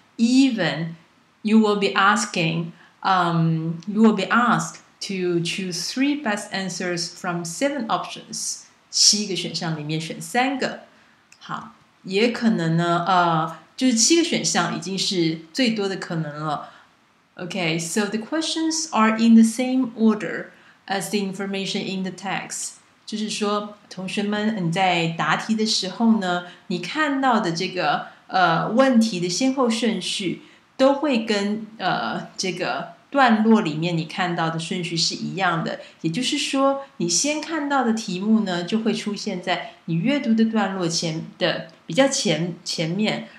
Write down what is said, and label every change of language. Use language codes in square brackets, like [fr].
[en] Even you will be asking, you will be asked to choose 3 best answers from 7 options， [zh] 七个选项里面选三个。好，也可能呢，就是七个选项已经是最多的可能了。 [en] Okay, so the questions are in the same order as the information in the text. [zh] 就是说，同学们，你在答题的时候呢，你看到的这个问题的先后顺序都会跟这个段落里面你看到的顺序是一样的。也就是说，你先看到的题目呢，就会出现在你阅读的段落前的比较前面。